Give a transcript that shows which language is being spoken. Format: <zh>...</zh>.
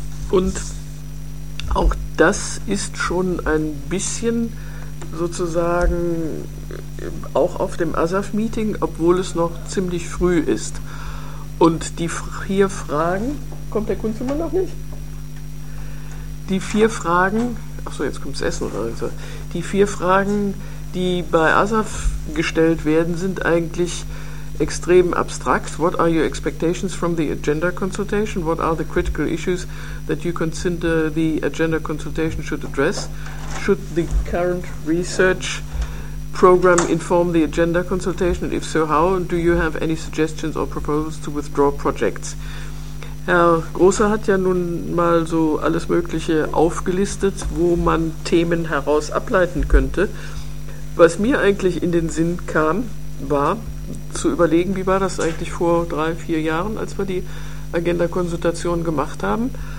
<de>Und auch das ist schon ein bisschen sozusagen auch auf dem ASAF-Meeting, obwohl es noch ziemlich früh ist. Und die vier Fragen, kommt der Kunstmann noch nicht? Die vier Fragen, achso, jetzt kommt das Essen oder so. Die vier Fragen, die bei ASAF gestellt werden, sind eigentlich extrem abstrakt.</de> <en>What are your expectations from the agenda consultation? What are the critical issues that you consider the agenda consultation should address? Should the current research program inform the agenda consultation? And if so, how? And do you have any suggestions or proposals to withdraw projects?</en> <de>Herr Große hat ja nun mal so alles Mögliche aufgelistet, wo man Themen heraus ableiten könnte. Was mir eigentlich in den Sinn kam, war zu überlegen, wie war das eigentlich vor 3-4 Jahren, als wir die Agenda-Konsultation gemacht haben.</de>